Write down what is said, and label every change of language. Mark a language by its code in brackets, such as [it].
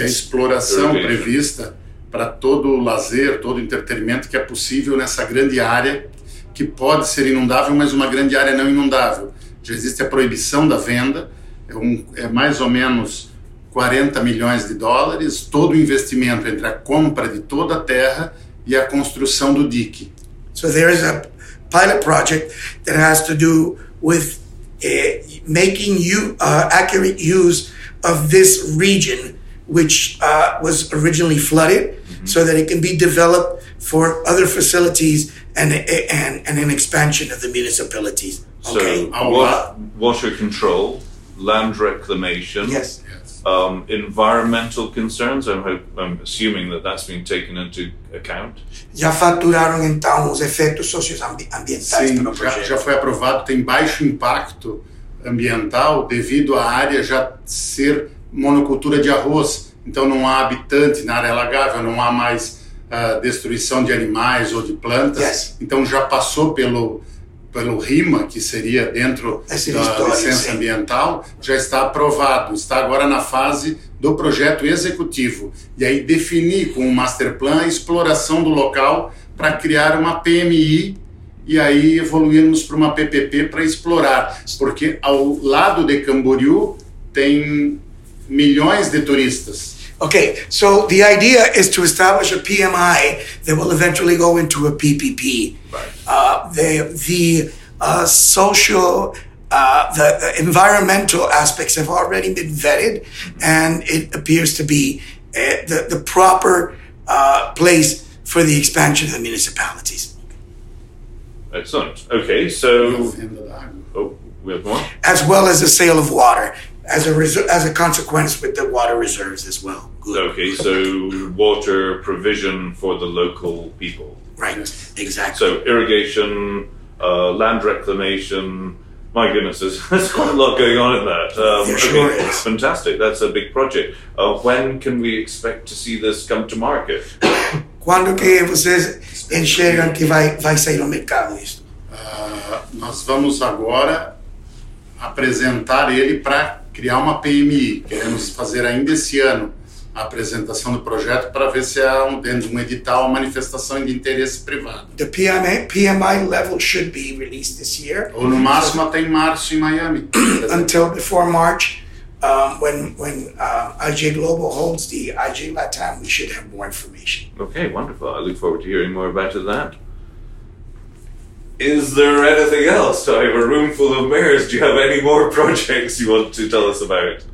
[pt] A exploração prevista para todo o lazer, todo o entretenimento que é possível nessa grande área, que pode ser inundável, mas uma grande área não inundável. Já existe a proibição da venda, é mais ou menos 40 milhões de dólares, todo o investimento entre a compra de toda a terra e a construção do dique. [en] So there is a pilot project that has to do with making accurate use of this region, which was originally flooded, so that it can be developed for other facilities and an expansion of the municipalities. Okay. So, water control, land reclamation, yes. Environmental concerns, I'm assuming that that's been taken into account. [pt] Já faturaram então os efeitos socioambientais para o projeto. Já foi aprovado, tem baixo impacto ambiental devido à área já ser monocultura de arroz. Então não há habitante na área alagável, não há mais destruição de animais ou de plantas. [en] Yes. [pt] Então já passou pelo RIMA, que seria dentro da licença ambiental, já está aprovado. Está agora na fase do projeto executivo. E aí definir com um master plan a exploração do local para criar uma PMI e aí evoluirmos para uma PPP para explorar. Porque ao lado de Camboriú tem milhões de turistas. [en] Okay, so the idea is to establish a PMI that will eventually go into a PPP. Right. The environmental aspects have already been vetted, and it appears to be the proper place for the expansion of the municipalities. Excellent. Okay, so we have more. As well as the sale of water. As a consequence with the water reserves as well. Good. Okay, so water provision for the local people. Right, exactly. So irrigation, land reclamation. My goodness, there's quite a lot going on in that. Sure is. Fantastic, that's a big project. When can we expect to see this come to market? [pt] Quando que vocês enxergam que vai sair no mercado isso? Nós vamos agora apresentar ele para criar uma PMI. Queremos fazer ainda esse ano a apresentação do projeto para ver se há dentro de um edital uma manifestação de interesse privado. [en] The PMI level should be released this year. [pt] Ou no máximo até em março em Miami. [en] Until before March, when IJGlobal holds the IJLatAm, we should have more information. Okay, wonderful. I look forward to hearing more about that. Is there anything else? I have a room full of mayors. Do you have any more projects you want to tell us about?